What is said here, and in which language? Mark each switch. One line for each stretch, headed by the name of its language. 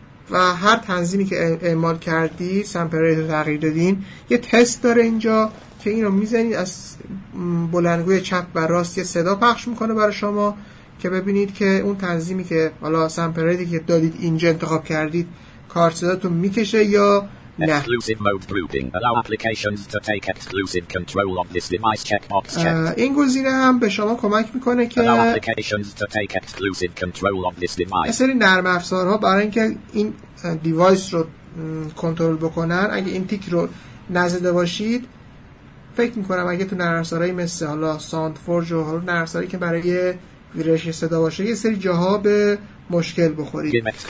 Persian: و هر تنظیمی که اعمال کردی سمپل ریت رو تغییر دادین یه تست داره اینجا که اینو میزنید از بلندگوی چپ و راست یه صدا پخش میکنه برای شما که ببینید که اون تنظیمی که حالا سمپل ریتی که دادید اینجا انتخاب کردید کار صداتون میکشه یا
English: Exclusive mode grouping. Allow applications to take exclusive control of this device. Checkbox checked.
Persian: این گزینه هم به شما کمک میکنه که
English: Allow applications to take exclusive control of this device.
Persian: اصلا این نرم افزارها برای اینکه این دیوایس رو کنترل بکنن اگه این تیک رو نزده باشید فکر میکنم اگه تو نرم افزارهایی مثل حالا ساند فورج و حالا نرم افزارهایی که برای ویرایش صدا باشه یه سری جاها به مشکل بخورید.